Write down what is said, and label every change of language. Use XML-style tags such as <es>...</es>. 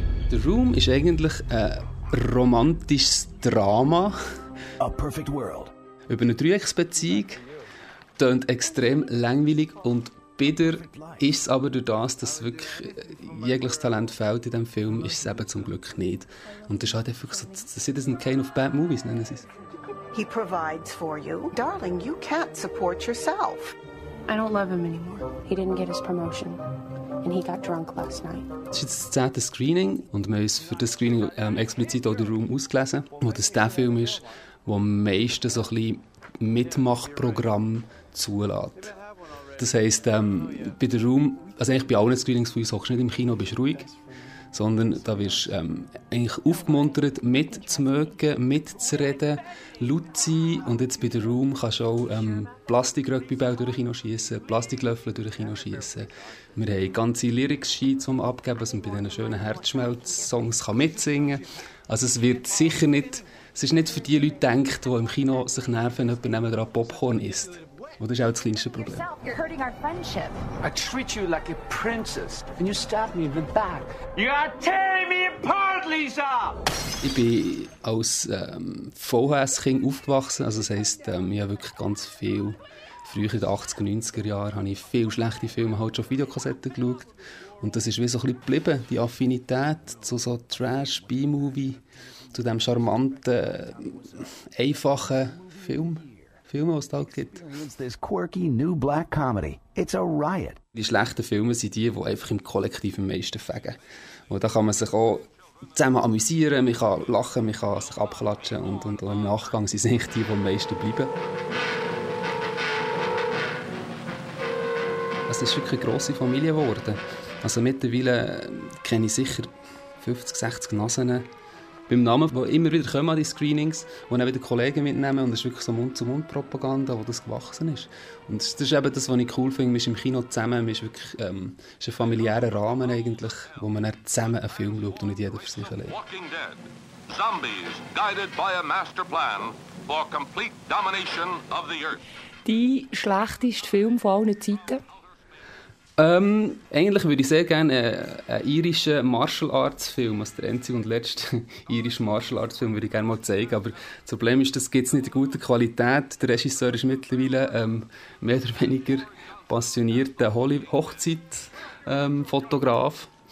<de>«The Room» ist eigentlich ein romantisches Drama.</de> <en>«A perfect world.»</en> <de>Über eine Dreiecksbeziehung. Tönt extrem langweilig und bitter ist es aber durch das, dass wirklich jegliches Talent fehlt in diesem Film, ist es eben zum Glück nicht. Und das ist halt einfach so Citizen Kane of Bad Movies, nennen sie es.</de> <en>He provides for you. Darling, you can't support yourself. I don't love him anymore. He didn't get his promotion. And he got drunk last night.</en> <de>Es ist jetzt das 10. Screening und wir haben uns für das Screening explizit auch den Raum ausgelesen, wo das der Film ist, wo am meisten so ein bisschen Mitmachprogramm zulässt. Das heisst, bei der Room, also eigentlich bei allen Screenings von uns hockst du nicht im Kino, bist ruhig, sondern da wirst du eigentlich aufgemuntert, mitzumögen, mitzureden, laut zu sein. Und jetzt bei der Room kannst du auch Plastikrückbebau durch den Kino schiessen, Plastiklöffel durch den Kino schiessen. Wir haben ganze Lyrics-Sheets, die wir abgeben, dass man bei diesen schönen Herzschmelz-Songs mitsingen kann. Also es wird sicher nicht. Es ist nicht für die Leute gedacht, die im Kino sich nerven, wenn jemand neben dran Popcorn isst. Und das ist auch das kleinste Problem.</de> <en>I treat you like a princess and you stab me in the back. You are tearing me apart, Lisa!</en> <de>Ich bin als VHS-Kind aufgewachsen. Also das heisst, ich habe wirklich ganz viel. Früher in den 80er, 90er Jahren habe ich viele schlechte Filme halt schon auf Videokassetten geschaut. Und das ist wie so ein bisschen geblieben, die Affinität zu so Trash, B-Movie. Zu diesem charmanten, einfachen Film, was es da gibt.</de> <en>This quirky new black comedy. It's a riot.</en> <de>Die schlechten Filme sind die, die einfach im Kollektiv am meisten fegen. Und da kann man sich auch zusammen amüsieren, man kann lachen, man kann sich abklatschen und im Nachgang sind es die, die am meisten bleiben. Es ist wirklich eine grosse Familie geworden. Also mittlerweile kenne ich sicher 50, 60 Nasen, beim Namen, die immer wieder kommen an die Screenings, wo dann wieder Kollegen mitnehmen und es ist wirklich so Mund-zu-Mund-Propaganda, wo das gewachsen ist. Und das ist eben das, was ich cool finde, man ist im Kino zusammen, man ist wirklich ist ein familiärer Rahmen eigentlich, wo man dann zusammen einen Film schaut und nicht jeder für sich allein.</de> <en>Walking Dead. Zombies guided by a master plan for complete domination of the earth.</en> <de>Die schlechteste Film von allen Zeiten? Eigentlich würde ich sehr gerne einen irischen Martial Arts Film, also der einzige und letzte irische Martial Arts Film, würde ich gerne mal zeigen. Aber das Problem ist, das gibt es nicht in guter Qualität. Der Regisseur ist mittlerweile mehr oder weniger passionierter Hochzeit-Fotograf.</de>